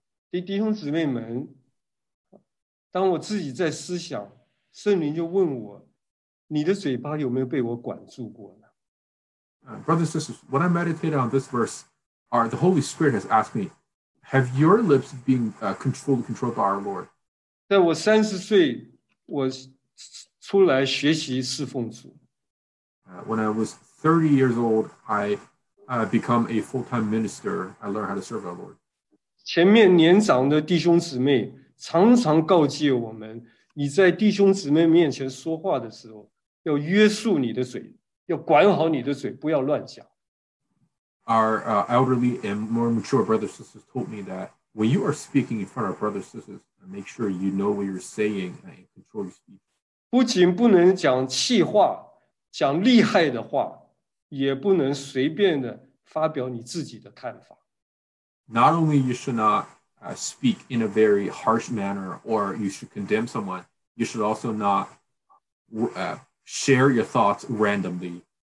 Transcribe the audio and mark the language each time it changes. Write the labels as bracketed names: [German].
[Chinese] 弟兄姊妹们, 当我自己在思想, 圣灵就问我, 你的嘴巴有没有被我管住过呢? [English] Brothers and sisters, when I meditate on this verse, the Holy Spirit has asked me, have your lips been controlled by our Lord? [Chinese] 在我30岁, 我出来学习侍奉主。 [English] When I was 30 years old, I become a full-time minister. I learned how to serve our Lord. [Chinese] 前面年长的弟兄姊妹 常常告诫我们, 你在弟兄姊妹面前说话的时候, 要约束你的嘴，要管好你的嘴，不要乱讲。 [English] Our elderly and more mature brothers and sisters told me that when you are speaking in front of brothers and sisters, make sure you know what you're saying and control your speech. [Chinese] 不仅不能讲气话，讲厉害的话，也不能随便的发表你自己的看法。 [English] Not only you should not speak in a very harsh manner or you should condemn someone, you should also not share your thoughts randomly.